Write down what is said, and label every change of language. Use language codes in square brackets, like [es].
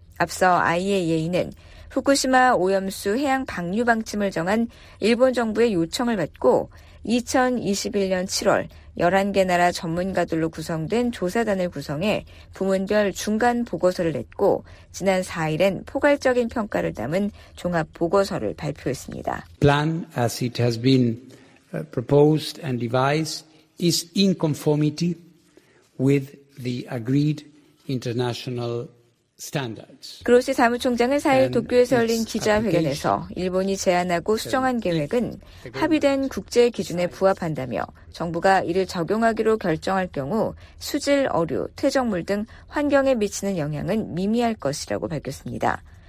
[ko] 앞서 IAEA는 후쿠시마 오염수 해양 방류 방침을 정한 일본 정부의 요청을 받고 2021년 7월 11개 나라 전문가들로 구성된 조사단을 구성해 부문별 중간 보고서를 냈고 지난 4일엔 포괄적인 평가를 담은 종합 보고서를 발표했습니다. [en] Plan as it has been proposed and devised is in conformity with the agreed international [ko] 그로시 사무총장은 4일 도쿄에서 열린 기자회견에서 일본이 제안하고 수정한 계획은 합의된 국제 기준에 부합한다며 정부가 이를 적용하기로 결정할 경우 수질, 어류, 퇴적물 등 환경에 미치는 영향은 미미할 것이라고 밝혔습니다.